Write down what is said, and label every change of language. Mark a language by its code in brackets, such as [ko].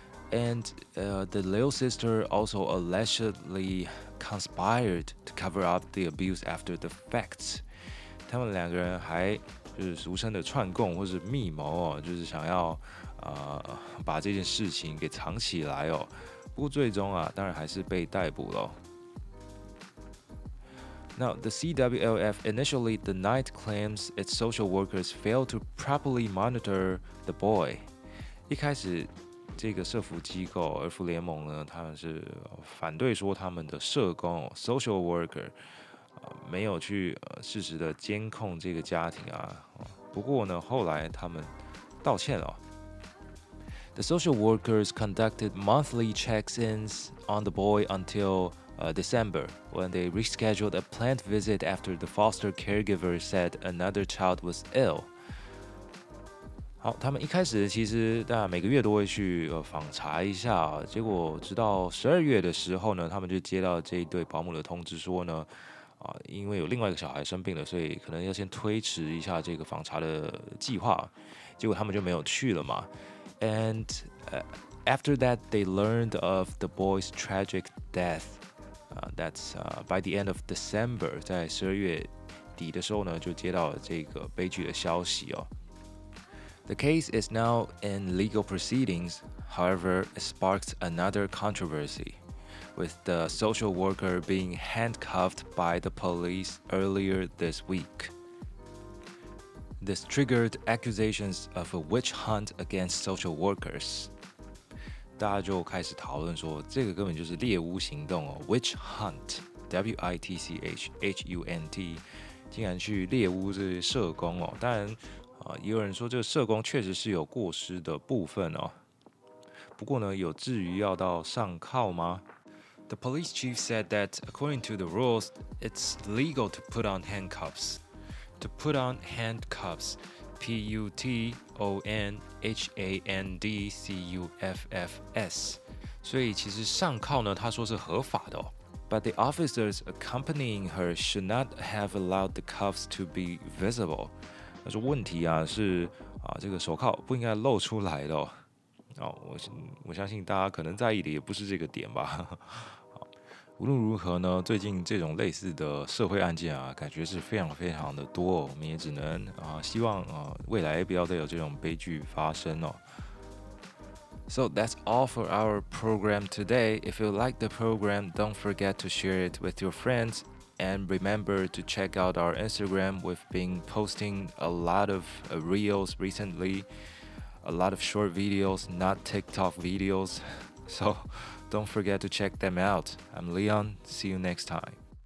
[en] and the little sister also allegedly conspired to cover up the abuse after the facts [zh] 他们两个人还就是俗称的串供或是密谋哦，就是想要把这件事情给藏起来哦。不过最终啊，当然还是被逮捕了。 [en] Now the CWLF initially denied claims its social workers failed to properly monitor the boy。 [zh] 一开始，这个社福机构儿福联盟呢，他们是反对说他们的社工 social worker。没有去适时的监控这个家庭啊。不过呢，后来他们道歉了。 [en] The social workers conducted monthly check-ins on the boy until December, when they rescheduled a planned visit after the foster caregiver said another child was ill. [zh] 好，他们一开始其实大概每个月都会去访查一下，结果直到12月的时候呢，他们就接到这一对保姆的通知说呢。因为有另外一个小孩生病了，所以可能要先推迟一下这个访查的计划。结果他们就没有去了嘛。 [en] And after that, they learned of the boy's tragic death. That's by the end of December, [zh] 在12月底的时候呢，就接到了这个悲剧的消息哦。 [en] The case is now in legal proceedings. However, it sparked another controversy. With the social worker being handcuffed by the police earlier this week. This triggered accusations of a witch hunt against social workers. [zh] 大家就开始讨论说，这个根本就是猎巫行动哦 ，witch hunt, W-I-T-C-H-H-U-N-T， 竟然去猎巫这些社工哦。当然，也有人说这个社工确实是有过失的部分哦。不过呢，有至于要到上铐吗？ [en] The police chief said that, according to the rules, it's legal to put on handcuffs. To put on handcuffs, P-U-T-O-N-H-A-N-D-C-U-F-F-S. [zh] 所以其实上铐呢，他说是合法的哦。 But the officers accompanying her should not have allowed the cuffs to be visible. 那是问题啊，是啊，这个手铐不应该露出来的哦。哦，我相信大家可能在意的也不是这个点吧。无论如何呢，最近这种类似的社会案件啊，感觉是非常非常的多、哦。我们也只能希望未来不要再有这种悲剧发生哦。 [en] So that's all for our program today. If you like the program, don't forget to share it with your friends, and remember to check out our Instagram. We've been posting a lot of reels recently. A lot of short videos, not TikTok videos. So don't forget to check them out. I'm Leon. See you next time.